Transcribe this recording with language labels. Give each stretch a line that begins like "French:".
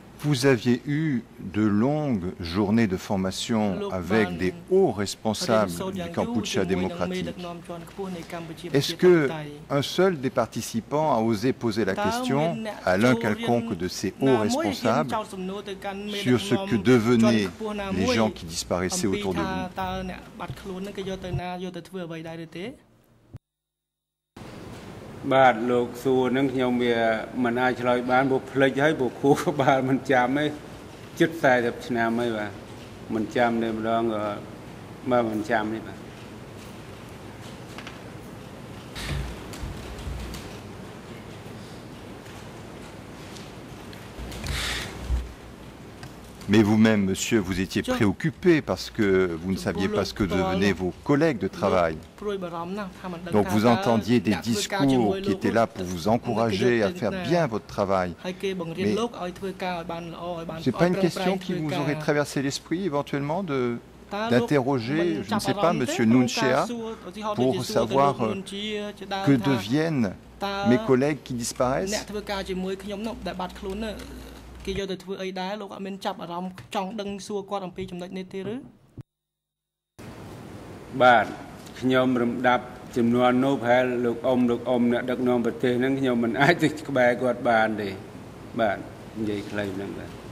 French: Vous aviez eu de longues journées de formation avec des hauts responsables du Kampuchea démocratique. Est-ce qu'un seul des participants a osé poser la question à l'un quelconque de ces hauts responsables sur ce que devenaient les gens qui disparaissaient autour de vous ?
Khmer: បាទលោកសួរនឹងខ្ញុំវាមិនអាចឆ្លើយបានព្រោះភ្លេចហើយព្រោះខួរក្បាលមិនចាំទេជិត40ឆ្នាំហើយបាទមិនចាំទេម្ដងក៏បាទមិនចាំទេបាទ
French: Mais vous-même, monsieur, vous étiez préoccupé parce que vous ne saviez pas ce que devenaient vos collègues de travail. Donc vous entendiez des discours qui étaient là pour vous encourager à faire bien votre travail. Mais ce n'est pas une question qui vous aurait traversé l'esprit éventuellement d'interroger, je ne sais pas, monsieur Nun Chea, pour savoir que deviennent mes collègues qui disparaissent ?
Khmer: គេយកទៅធ្វើអីដែរលោកអត់មានចាប់អារម្មណ៍ចង់ដឹងសួរគាត់អំពីចំណុចនេះទេឬ បាទខ្ញុំរំដាប់ចំនួននោះប្រហែលលោកអ៊ំលោកអ៊ំអ្នកដឹកនាំប្រទេសហ្នឹងខ្ញុំមិនអាចទៅក្បែរគាត់បានទេបាទនិយាយខ្លីហ្នឹងបាទ